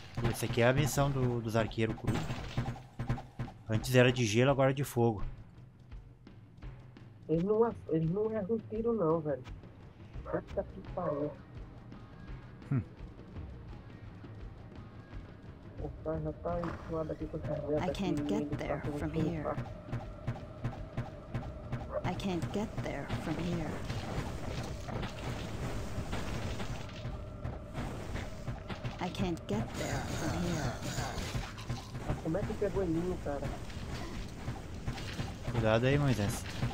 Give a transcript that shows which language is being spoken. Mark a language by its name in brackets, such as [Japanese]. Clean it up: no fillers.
[Portuguese] Essa aqui é a missão dos arqueiros cru. Antes era de gelo, agora é de fogo. Eles não erram um tiro, não, velho. Puta que pariu. portal já tá em cima daqui com a caveira. [English] I can't get there from here. I can't get there from here. I can't get there from here. [Portuguese] Mas como é que pegou em mim, cara? Cuidado aí, Moisés.